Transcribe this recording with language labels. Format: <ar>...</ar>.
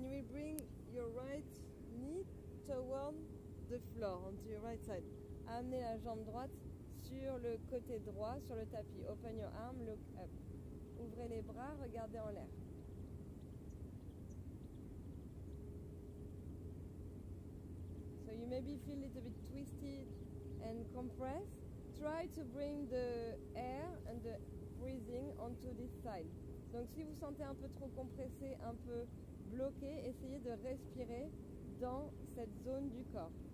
<en>Bring your right knee toward the floor, onto your right side.</en> <fr>Amenez la jambe droite sur le côté droit, sur le tapis.</fr> <en>Open your arm, look up.</en> <fr>Ouvrez les bras, regardez en l'air.</fr> <en>So you maybe feel a little bit twisted and compressed. Try to bring the air and the breathing onto this side.</en> <fr>Donc si vous sentez un peu trop compressé, un peu bloqué, essayez de respirer dans cette zone du corps.</fr>